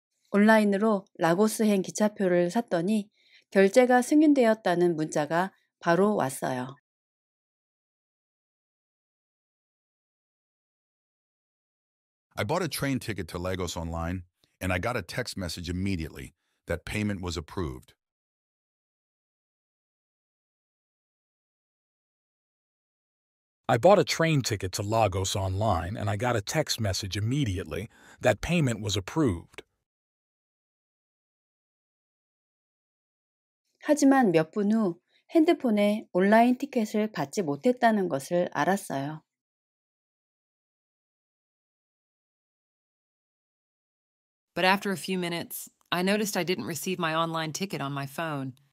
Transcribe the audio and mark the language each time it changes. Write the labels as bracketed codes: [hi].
[ko] 온라인으로 라고스행 기차표를 샀더니 결제가 승인되었다는 문자가 바로 왔어요. [en] I bought a train ticket to Lagos online, and I got a text message immediately that payment was approved. I bought a train ticket to Lagos online, and I got a text message immediately that payment was approved. [ko] 하지만 몇 분 후 핸드폰에 온라인 티켓을 받지 못했다는 것을 알았어요. [en] But after a few minutes, I noticed I didn't receive my online ticket on my phone.